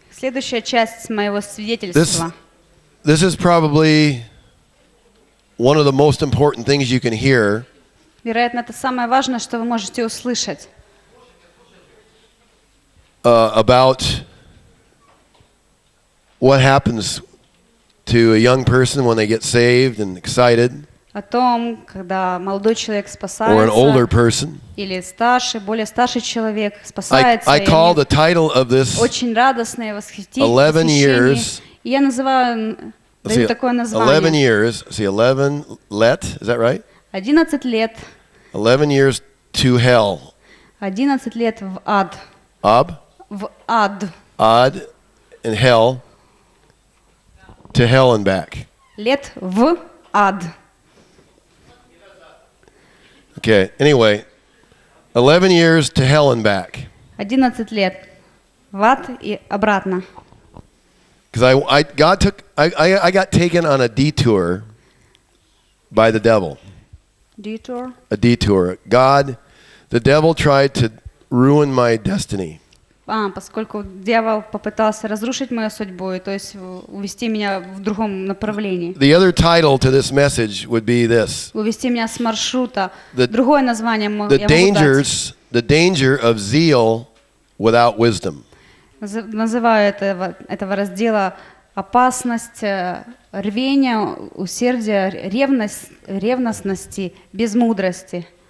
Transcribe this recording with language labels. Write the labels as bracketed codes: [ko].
[ru] Следующая часть моего свидетельства. [en] This is probably one of the most important things you can hear. [ru] Вероятно, это самое важное, что вы можете услышать. [en] About what happens to a young person when they get saved and excited. [ru] О том, когда молодой человек спасается, [en] or an older person. [ru] Или старший, более старший человек спасается. [en] I call the title of this 11 years. [ru] Я называю такое название. [en] 11 years. See, 11 let. Is that right? [ru] 11 лет. [en] 11 years to hell. [ru] 11 лет в ад. Ab? В ад. [en] Ad and hell. To hell and back. [ru] Лет в ад. [en] Okay, anyway, 11 years to hell and back. [ru] 11 лет в ад и обратно. [en] Because I got taken on a detour by the devil. Detour? A detour. God, the devil tried to ruin my destiny. [ru] Поскольку дьявол попытался разрушить мою судьбу, то есть увести меня в другом направлении. [en] The other title to this message would be this. [ru] Увести меня с маршрута. Другое название я могу дать. [en] The dangers, the danger of zeal without wisdom. [ru] Называю этого раздела опасность рвения, усердия, ревностности без мудрости.